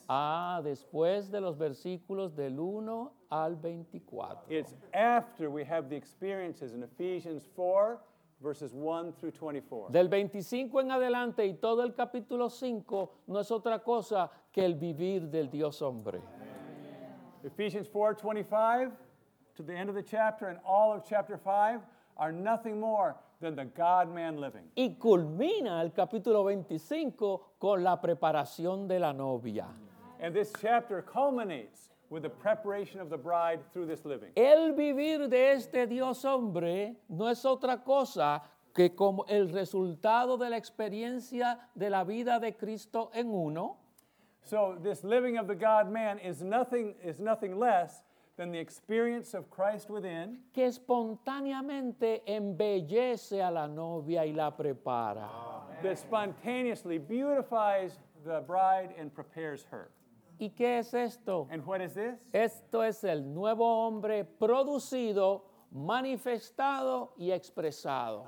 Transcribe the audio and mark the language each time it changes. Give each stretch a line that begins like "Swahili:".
Spanish: Ah, después de los versículos del 1 al 24.
English: It's after we have the experiences in Ephesians 4, verses 1 through 24.
Spanish: Del 25 en adelante y todo el capítulo 5 no es otra cosa que el vivir del Dios hombre. Amen.
English: Ephesians 4, 25, to the end of the chapter and all of chapter 5 are nothing more than the God-man living.
Spanish: Y culmina el capítulo 25 con la preparación de la novia.
English: And this chapter culminates with the preparation of the bride through this living.
Spanish: El vivir de este Dios hombre no es otra cosa que como el resultado de la experiencia de la vida de Cristo en uno.
English: So this living of the God-man is nothing less than the experience of Christ within,
Spanish: que espontáneamente embellece a la novia y la prepara. Amen.
English: That spontaneously beautifies the bride and prepares her.
Spanish: ¿Y qué es esto?
English: And what is this?
Spanish: Esto es el nuevo hombre producido, manifestado y expresado.